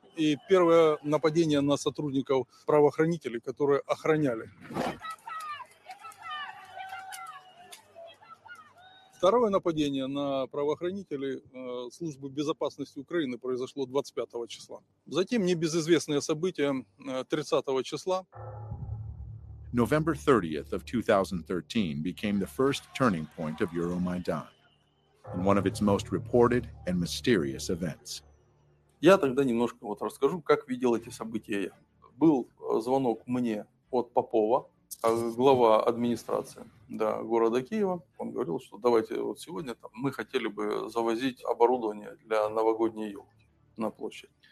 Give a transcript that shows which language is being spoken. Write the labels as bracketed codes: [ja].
[ru] И первое нападение на сотрудников правоохранителей, которые охраняли. Второе нападение на правоохранителей службы безопасности Украины произошло 25 числа. Затем небезызвестное событие 30 числа. [en] November 30th of 2013 became the first turning point of Euromaidan and one of its most reported and mysterious events. [ru] Я тогда немножко вот расскажу, как видел эти события я. Был звонок мне от Попова, глава администрации, да, города Киева. Он говорил, что давайте вот сегодня там, мы хотели бы завозить оборудование для новогодней елки на площадь.